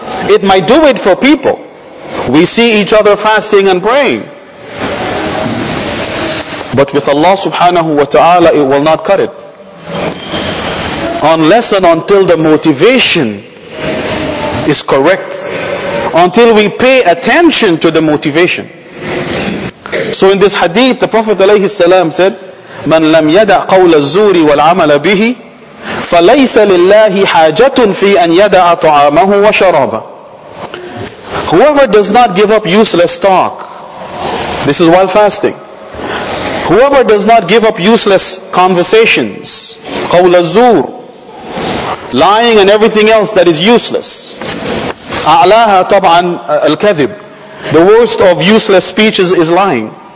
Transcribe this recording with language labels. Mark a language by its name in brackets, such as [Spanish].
[English] It might do it for people. We see each other fasting and praying. But with Allah subhanahu wa ta'ala, it will not cut it. Unless and until the motivation is correct. Until we pay attention to the motivation. So in this hadith, the Prophet alayhi salam said, [Arabic] مَنْ لَمْ يَدَعْ قَوْلَ الزُّورِ وَالْعَمَلَ بِهِ فَلَيْسَ لِلَّهِ حَاجَةٌ فِي أَنْ يَدَعَ طَعَامَهُ وَشَرَابًا. [English] Whoever does not give up useless talk, this is while fasting, whoever does not give up useless conversations, [Arabic] قَوْلَ الزُّورِ, [English] lying and everything else that is useless, [Arabic] أَعْلَاهَا طَبْعًا الْكَذِبِ, [English] the worst of useless speeches is lying.